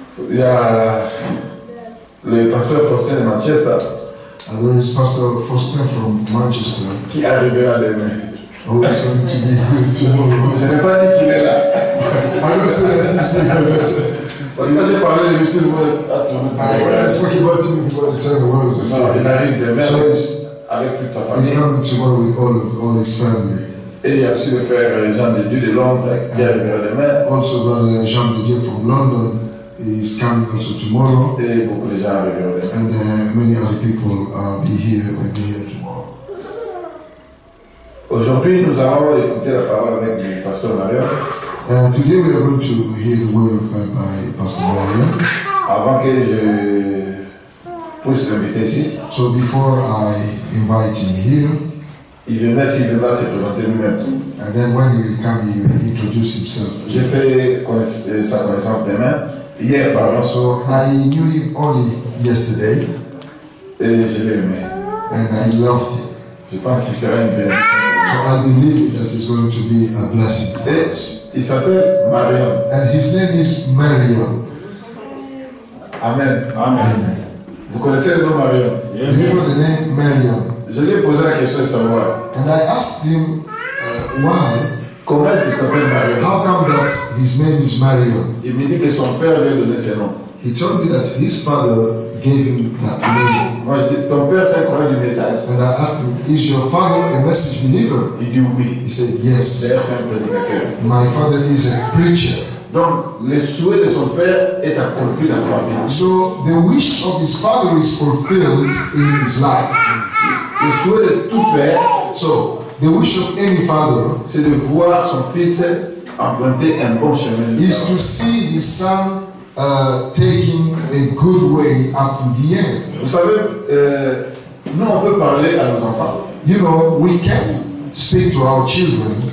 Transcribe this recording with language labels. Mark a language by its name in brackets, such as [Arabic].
[French] Yeah. Le pasteur Faustin de Manchester. [English] And there is Pastor Faustin from Manchester. [French] Qui arrivera demain. [English] Oh, he's going to be here tomorrow. [French] Je n'ai pas dit qu'il est là. [English] I don't say that he's here. [French] Parce que j'ai parlé de lui tout le monde à tout le monde. [English] I spoke about him before the time the world was asleep. [French] Il arrive demain so avec toute sa famille. [English] He's coming tomorrow with all his family. [French] Et il y a aussi le frère Jean de Dieu de Londres qui arrivera demain. [English] Also brother Jean de Dieu from London is coming also tomorrow. [French] Et beaucoup de gens arriveront demain. [English] And many other people will be here tomorrow. [French] Aujourd'hui nous allons écouter la parole avec le pasteur Mario. [English] Today we are going to hear the word of God by Pastor Mario. [French] Avant que je puisse l'inviter ici. [English] So before I invite him here, [French] il venait s'il veut se présenter lui-même. [English] And then when he come, he introduce himself. [French] J'ai fait sa connaissance demain. Hier, pardon. [English] So I knew him only yesterday. [French] Et je l'ai aimé. [English] And I loved him. [French] Je pense qu'il sera une bénédiction. [English] So I believe that it's going to be a blessing. [French] Et il s'appelle Marion. [English] And his name is Marion. Amen. Amen. Amen. [French] Vous connaissez le nom Marion? [English] Yeah. You know the name Marion. [French] Je lui ai posé la question de savoir. [English] And I asked him why. [French] Comment est-ce qu'il s'appelle Marion? [English] How come that his name is Marion? [French] Il me dit que son père lui a donné ce nom. [English] He told me that his father gave him that name. [French] Moi je dis, ton père c'est un croyant du message. [English] And I asked him, is your father a message believer? [French] He dit oui. [English] He said yes. [French] C'est un prédicateur. [English] My father is a preacher. [French] Donc le souhait de son père est accompli dans sa vie. [English] So the wish of his father is fulfilled in his life. [French] Le souhait de tout père. [English] So the wish of any father. [French] C'est de voir son fils emprunter un bon chemin. [English] Is to see his son taking a good way up to the end. [French] Vous savez, nous on peut parler à nos enfants. [English] You know, we can speak to our children.